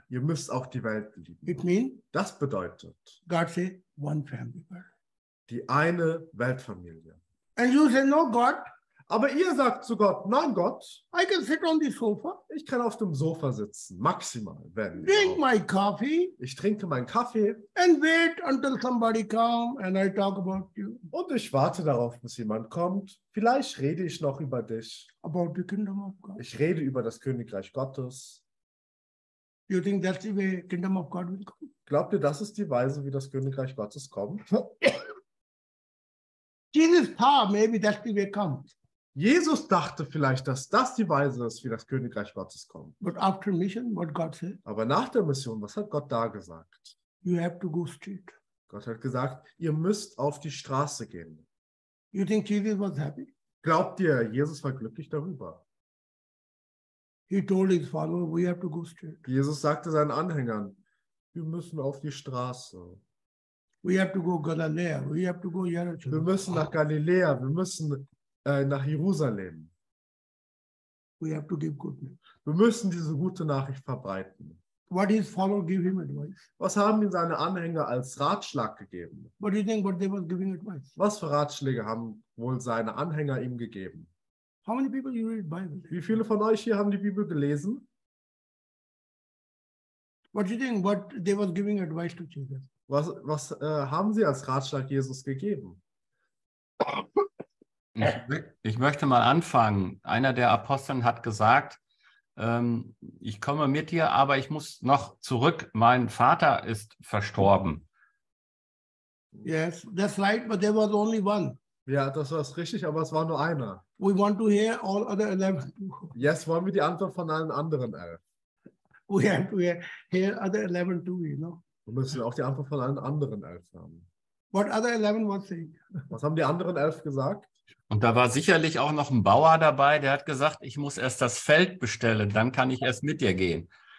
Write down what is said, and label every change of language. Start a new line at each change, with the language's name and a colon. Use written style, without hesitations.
German: Ihr müsst auch die Welt lieben.
English: It means,
German: das bedeutet,
English: God say, one family world.
German: Die eine Weltfamilie.
English: And you say, no, God.
German: Aber ihr sagt zu Gott, nein, Gott.
English: I can sit on the sofa.
German: Ich kann auf dem Sofa sitzen, maximal, wenn.
English: Drink my coffee.
German: Ich trinke meinen Kaffee.
English: And wait until somebody comes and I talk about you.
German: Und ich warte darauf, bis jemand kommt. Vielleicht rede ich noch über dich.
English: About the kingdom of God.
German: Ich rede über das Königreich Gottes.
English: You think that's the way kingdom of God will come?
German: Glaubt ihr, das ist die Weise, wie das Königreich Gottes kommt?
English: Jesus power, maybe that's the way it comes.
German: Jesus dachte vielleicht, dass das die Weise ist, wie das Königreich Gottes kommt.
English: But after mission, what God said?
German: Aber nach der Mission, was hat Gott da gesagt?
English: You have to go straight.
German: Gott hat gesagt, ihr müsst auf die Straße gehen.
English: You think Jesus was happy?
German: Glaubt ihr, Jesus war glücklich darüber?
English: He told his followers, we have to go straight.
German: Jesus sagte seinen Anhängern, wir müssen auf die Straße.
English: We have to go Galilea. We have to go Jerusalem.
German: Wir müssen nach Galiläa, wir müssen nach Jerusalem.
English: We have to give good news.
German: Wir müssen diese gute Nachricht verbreiten.
English: What his followers give him advice?
German: Was haben ihm seine Anhänger als Ratschlag gegeben?
English: What do you think what they were giving advice?
German: Was für Ratschläge haben wohl seine Anhänger ihm gegeben?
English: How many people you read Bible?
German: Wie viele von euch hier haben die Bibel gelesen?
English: What do you think what they were giving advice to Jesus?
German: Was haben sie als Ratschlag Jesus gegeben? Ich möchte mal anfangen. Einer der Aposteln hat gesagt, ich komme mit dir, aber ich muss noch zurück. Mein Vater ist verstorben.
English: Yes, that's right, but there was only one.
German: Ja, das war es richtig, aber es war nur einer.
English: We want to hear all other 11. Yes,
German: wollen wir die Antwort von allen anderen 11.
English: We have to hear other 11 too, you know.
German: Wir müssen auch die Antwort von allen anderen 11 haben.
English: What other 11 was saying?
German: Was haben die anderen 11 gesagt? Und da war sicherlich auch noch ein Bauer dabei, der hat gesagt, ich muss erst das Feld bestellen, dann kann ich erst mit dir gehen.